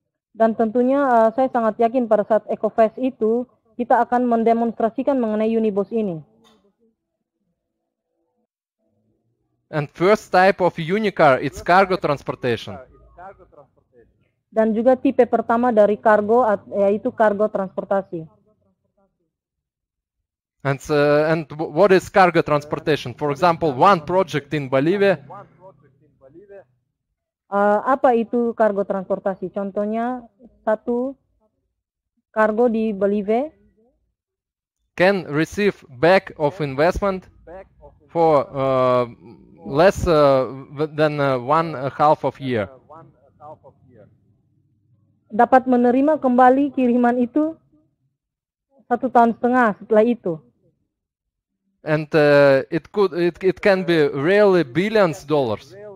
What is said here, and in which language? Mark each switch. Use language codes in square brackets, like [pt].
[id] Dan tentunya saya sangat yakin pada saat EcoFest itu kita akan mendemonstrasikan mengenai unibus ini. [en] And first type of unicar, it's cargo transportation. [id] Dan juga tipe pertama dari kargo yaitu kargo transportasi. [en] And what is cargo transportation? For example, one project in Bolivia. [id] Apa itu kargo transportasi? Contohnya satu kargo di Bolivia [en] can receive back of investment for less than one half of year. [id] Dapat menerima kembali kiriman itu satu tahun setengah setelah itu. [en] And it could it can be really billions dollars.